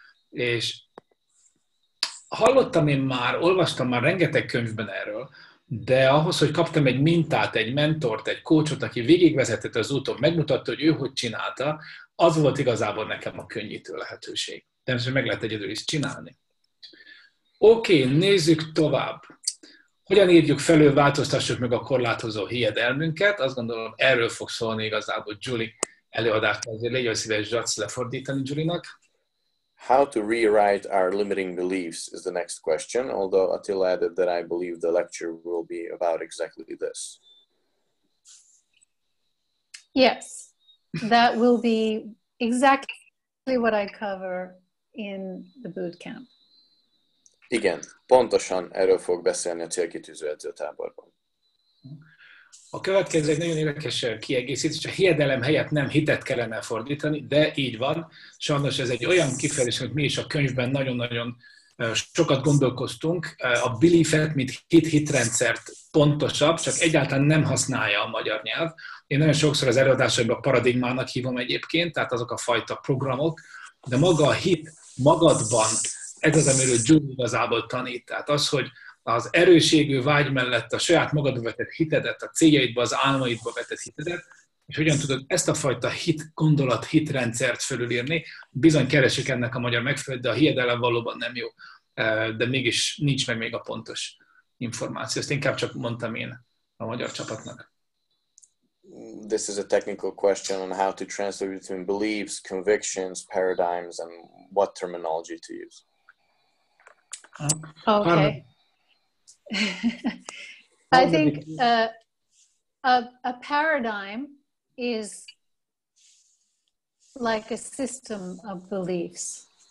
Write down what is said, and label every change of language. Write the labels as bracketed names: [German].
[Hungarian] És hallottam én már, olvastam már rengeteg könyvben erről, de ahhoz, hogy kaptam egy mintát, egy mentort, egy coachot, aki végigvezetett az úton, megmutatta, hogy ő hogy csinálta, az volt igazából nekem a könnyítő lehetőség. Természetesen meg lehet egyedül is csinálni. Oké, nézzük tovább. Hogyan írjuk felül, változtassuk meg a korlátozó hiedelmünket? Azt gondolom, erről fog szólni igazából Julie előadást. Azért légy szíves, zsatsz lefordítani Julie-nak. [English] How to rewrite our limiting beliefs is the next question, although Attila added that I believe the lecture will be about exactly this. Yes, that will be exactly what I cover in the bootcamp. [Hungarian] Igen, pontosan erről fog beszélni a célkitűző edzőtáborban. A következő egy nagyon érdekes kiegészítés, a hiedelem helyett nem hitet kellene fordítani, de így van. Sajnos ez egy olyan kifejezés, hogy mi is a könyvben nagyon-nagyon sokat gondolkoztunk. A belief-et, mint hit-hitrendszert pontosabb, csak egyáltalán nem használja a magyar nyelv. Én nagyon sokszor az előadásaimban paradigmának hívom egyébként, tehát azok a fajta programok, de maga a hit magadban, ez az, amiről Julie igazából tanít. Tehát az, hogy az erőségű vágy mellett a saját magadba vetett hitedet, a céljaidba, az álmaidba vetett hitedet, és hogyan tudod ezt a fajta hit, gondolat, hitrendszert fölülírni, bizony keresik ennek a magyar megfelelőt, de a hiedelem valóban nem jó, de mégis nincs meg még a pontos információ. Ezt inkább csak mondtam én a magyar csapatnak. [English] This is a technical question on how to translate between beliefs, convictions, paradigms, and what terminology to use. Okay. I think a paradigm is like a system of beliefs.